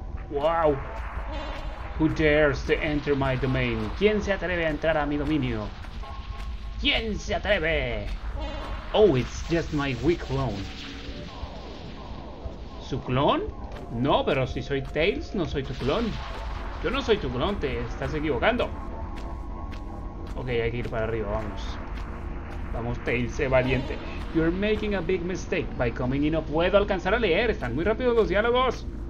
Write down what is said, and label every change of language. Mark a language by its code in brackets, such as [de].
[en] Wow. Who dares to enter my domain? [es] ¿Quién se atreve a entrar a mi dominio? ¿Quién se atreve? [en] Oh, it's just my weak clone. [es] ¿Su clon? No, pero si soy Tails, no soy tu clon. Yo no soy tu clon, te estás equivocando. Ok, hay que ir para arriba, vamos. Vamos, Tails, sé valiente. [en] You're making a big mistake by coming in. [es] No puedo alcanzar a leer, están muy rápidos los diálogos.